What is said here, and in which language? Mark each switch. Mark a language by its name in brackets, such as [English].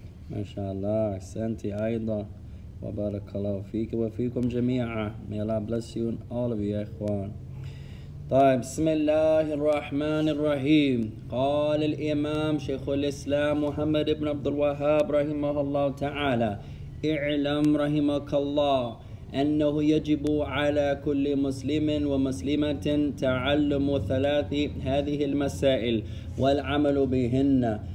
[Arabic] ما شاء الله احسنت ايضا وبارك الله فيك وفيكم جميعا. [English] May Allah bless you and all of you [Arabic] يا اخوان. طيب بسم الله الرحمن الرحيم. قال الامام شيخ الاسلام محمد بن عبد الوهاب رحمه الله تعالى: اعلم رحمك الله انه يجب على كل مسلم ومسلمة تعلم ثلاث هذه المسائل والعمل بهن.